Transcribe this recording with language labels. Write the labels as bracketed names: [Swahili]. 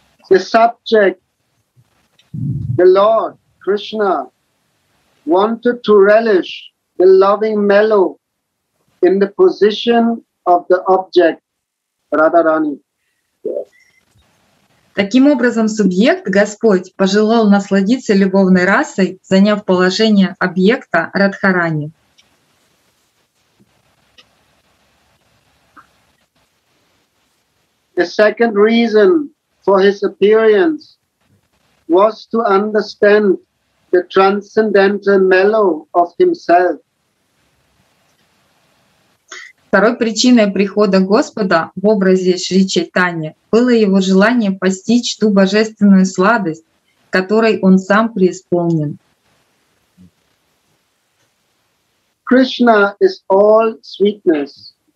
[English] The subject, the Lord Krishna, wanted to relish the loving mellow in the position of the object. [Russian] Таким образом, субъект, Господь, пожелал насладиться любовной расой, заняв положение объекта Радхарани. [English] The second reason for his appearance was to understand the transcendental mellow of himself. [Russian] Второй причиной прихода Господа в образе Шри Чайтанья было его желание постичь ту божественную сладость, которой он сам преисполнен. [English] Krishna is all sweetness.